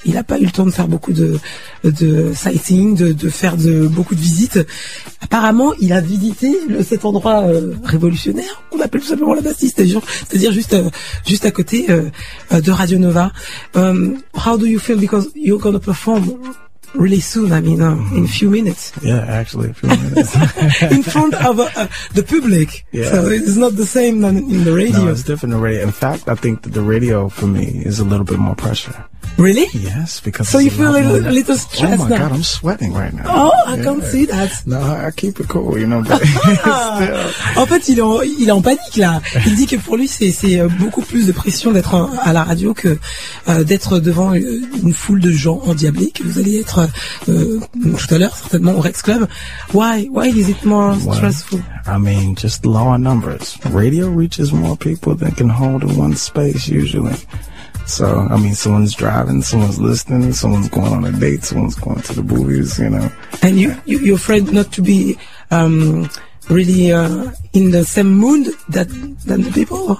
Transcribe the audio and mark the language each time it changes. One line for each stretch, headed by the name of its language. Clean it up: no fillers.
French: Il n'a pas eu le temps de faire beaucoup de sightseeing, de faire de beaucoup de visites. Apparemment, il a visité cet endroit révolutionnaire qu'on appelle tout simplement la Bastille, c'est-à-dire juste à côté de Radio Nova.
English: How do you feel because you're going to perform really soon? I mean, in a few minutes. Yeah, actually, a few minutes. In front of the public. Yeah. So it's not the same than in the radio. No, it's different in the radio. In fact, I think that the radio for me is a little bit more pressure. Really? Yes, because so you feel a little stressed. Oh my now. God, I'm sweating right now. Oh, yeah. I can't see that. No, I keep it cool, you know. But
French: en fait, il est en panique là. Il dit que pour lui, c'est beaucoup plus de pression d'être à la radio que d'être devant une foule de gens endiablés que vous allez être tout à l'heure certainement au Rex Club.
English: Why is it more stressful? I mean, just law of numbers. Radio reaches more people than can hold in one space usually. So, I mean, someone's driving, someone's listening, someone's going on a date, someone's going to the movies, you know. And you're afraid not to be really in the same mood than the people?